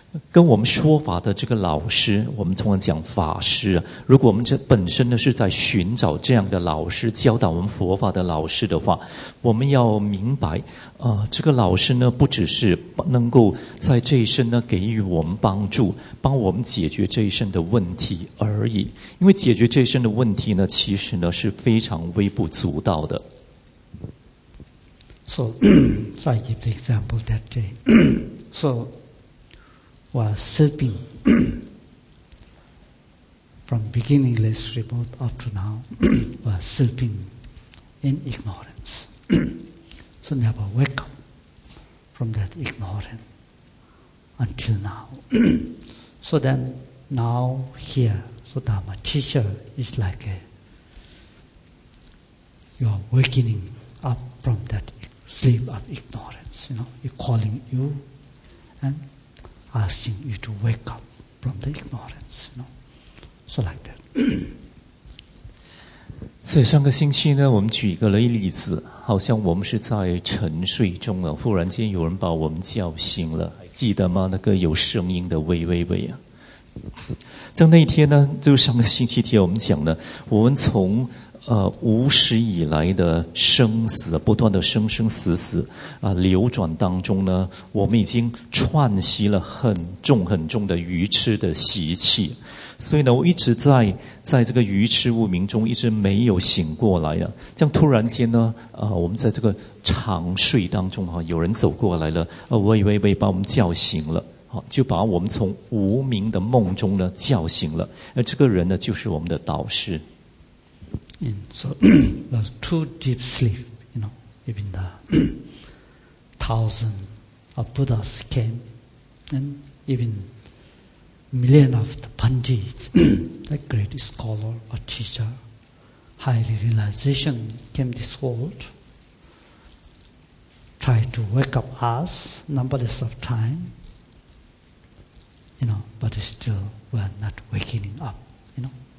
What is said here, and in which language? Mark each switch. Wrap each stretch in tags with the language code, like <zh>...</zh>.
<zh>跟我们说法的这个老师，我们通常讲法师，如果我们这本身呢是在寻找这样的老师，教导我们佛法的老师的话，我们要明白这个老师呢不只是能够在这一生呢给予我们帮助，帮我们解决这一生的问题而已，因为解决这一生的问题呢其实呢是非常微不足道的。</zh> <en>So so I give the example that day. So while sleeping from beginningless remote up to now while sleeping in ignorance so never wake up from that ignorance until now. So then now here, so Dharma teacher is like you are waking up from that sleep of ignorance, you know, he's calling you and asking you to wake up from the ignorance, you know. So like that.</en> <zh>所以上个星期呢我们举个了一例子，好像我们是在沉睡中了，忽然间有人把我们叫醒了，还记得吗？那个有声音的喂喂喂啊。在那天呢，就上个星期天我们讲呢，我们从无始以来的生死，不断的生生死死流转当中呢，我们已经串习了很重很重的愚痴的习气，所以呢我一直在这个愚痴无明中一直没有醒过来啊。这样突然间呢我们在这个长睡当中啊，有人走过来了，喂喂喂，把我们叫醒了，就把我们从无明的梦中呢叫醒了。而这个人呢就是我们的导师。</zh> <en>And so there's two deep sleep, you know, even the thousand of Buddhas came, and even million of the Pandits, a great scholar, a teacher, highly realization came this world, tried to wake up us numberless of time, you know, but still we're not waking up, you know.</en>